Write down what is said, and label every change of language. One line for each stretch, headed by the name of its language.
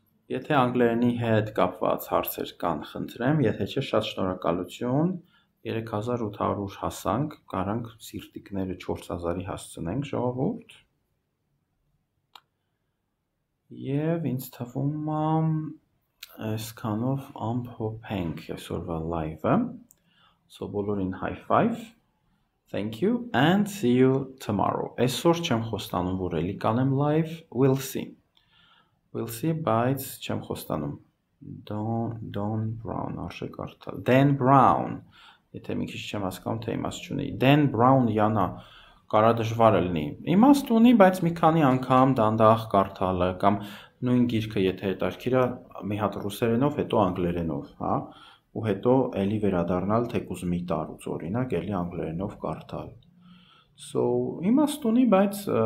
Armenian: Եթե անգլերենի հետ կապված հարցեր կան, խնդրեմ, եթե չէ շատ շնորհակալություն, 3800 հասանք, կարանք սիրտիկները 4000-ի հասցնենք ժողովուրդ։ Եվ ինձ թվում է այսքանով ամփոփենք այսօրվա լայվը։ So բոլորին
English: high five. Thank you and see you tomorrow.
Armenian: Այսօր չեմ խոստանում, որ էլի կանեմ live.
English: We'll see. We'll see,
Armenian: բայց չեմ խոստանում։ Don Brown, արժե կարդալ։ Dan Brown, եթե մի քիչ չեմ հասկանում, թե իմաստ չունի։ Dan Brown յանա, կարա դժվար է լինի։ Իմաստ ունի, բայց մի քանի անգամ դանդաղ կարդալը, կամ նույն գիրքը, եթե հետարքիրա, մի հատ ռուսերենով, հետո անգլերենով, հա, ու հետո էլի վերադառնալ, թե կուզմի տարուց, օրինակ, էլի անգլերենով կարդալ։ So, իմաստ ունի, բայց